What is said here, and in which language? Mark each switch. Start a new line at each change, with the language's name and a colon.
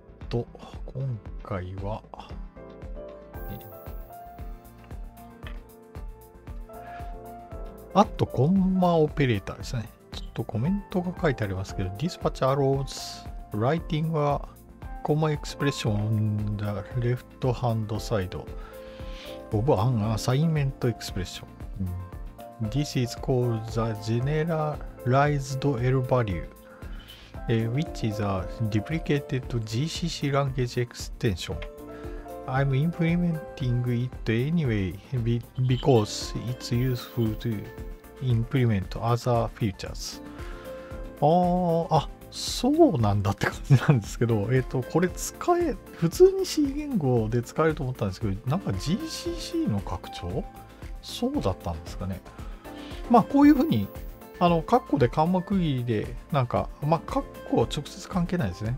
Japanese: 今回は、あとコンマオペレーターですね。ちょっとコメントが書いてありますけど、
English: Dispatch allows writing a コンマエクスプレッション on the left hand side. オブアンアサインメントエクスプレッション。 This is called the generalized L value, which is a deprecated GCC language extension. I'm implementing it anyway because it's useful to implement other features.
Japanese: そうなんだって感じなんですけど、これ普通に C 言語で使えると思ったんですけど、なんか GCC の拡張そうだったんですかね。まあ、こういうふうに、カッコでカンマ区切りで、なんか、まあ、カッコは直接関係ないですね。